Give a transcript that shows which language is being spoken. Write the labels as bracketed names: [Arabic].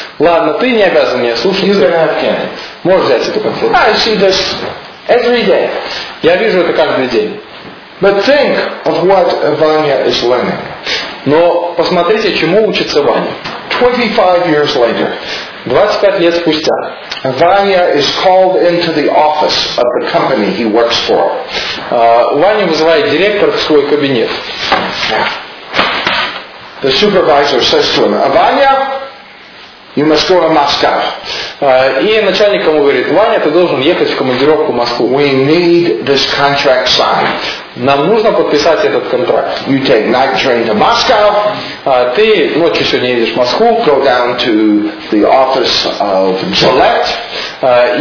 [Russian] Ладно, ты не обязан меня слушать. [English] You can have candy. [Russian] Можешь взять эту конфету. [English] I see this every day. [Russian] Я вижу это каждый день. [English] But think of what Ivania is learning. [Russian] Но посмотрите, чему учится Ваня. [English] 25 years later. [Russian] 25 лет спустя. [English] Ivania is called into the office of the company he works for. [Russian] Ваня вызывает директор в свой кабинет. [English] The supervisor says to him, Ivania, you must go to Moscow. [Russian] И начальник ему говорит, Ваня, ты должен ехать в командировку в Москву. [English] We need this contract signed. [Russian] Нам нужно подписать этот контракт. [English] You take night train to Moscow. [Russian] Ты ночью сегодня едешь в Москву. [English] Go down to the office of Gillette.